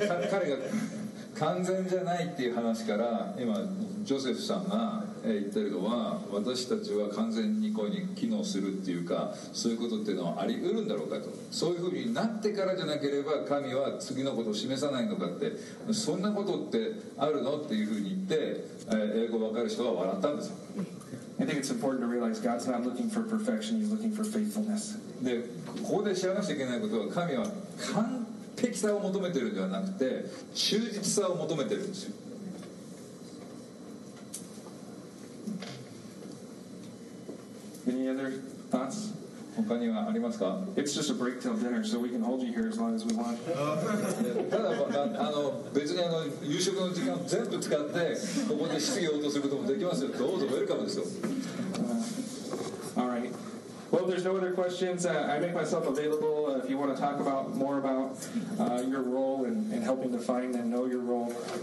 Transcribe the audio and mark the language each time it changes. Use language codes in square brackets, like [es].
[ja] 彼が完全じゃないっていう話から、今ジョセフさんが言ってるのは、私たちは完全にこういうふうに機能するっていうか、そういうことっていうのはあり得るんだろうかと、そういうふうになってからじゃなければ神は次のことを示さないのかって、そんなことってあるのっていうふうに言って、英語わかる人は笑ったんですよ。 [en] I think it's important to realize God's not looking for perfection, He's looking for faithfulness. [ja] でここで知らなくちゃいけないことは、神は完璧さを求めてるんではなくて忠実さを求めてるんですよ。 [en] Any other thoughts? [ja] 他にはありますか? [en] It's just a break till dinner, so we can hold you here as long as we want. [ja] ただ、別に夕食の時間全部使ってここで質疑応答することもできますよ。どうぞウェルカムですよ。 [en] All right. Well, if there's no other questions, I make myself available if you want to talk about more about your role and helping define and know your role.